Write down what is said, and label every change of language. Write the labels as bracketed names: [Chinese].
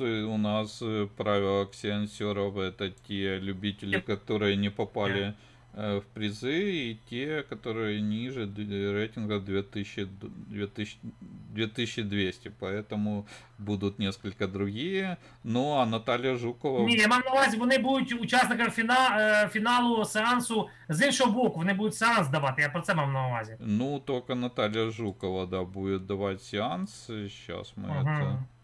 [Russian] У нас правило ксенсеров — это те любители, которые не попали в призы, и те, которые ниже рейтинга 2200. Поэтому будут несколько другие. Ну а Наталья Жукова... [Ukrainian] Ні, я мав на увазі, вони будуть учасниками фіналу сеансу з іншого боку. Вони будуть сеанс давати. Я про це мав на увазі. [Russian] Ну, только Наталья Жукова, да, будет давать сеанс. Сейчас мы это...